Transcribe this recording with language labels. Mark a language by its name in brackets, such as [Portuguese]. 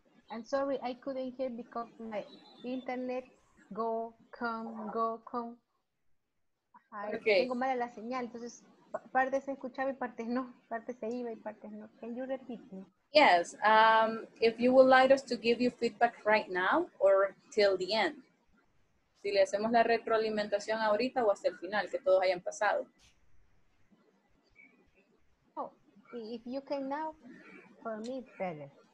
[English] I'm sorry, I couldn't hear because my internet go, come. Okay. Can you repeat me? Yes. If you would like us to give you feedback right now or till the end. [Spanish] Si le hacemos la retroalimentación ahorita o hasta el final, que todos hayan pasado. [English] Oh, if you can now, for me, better.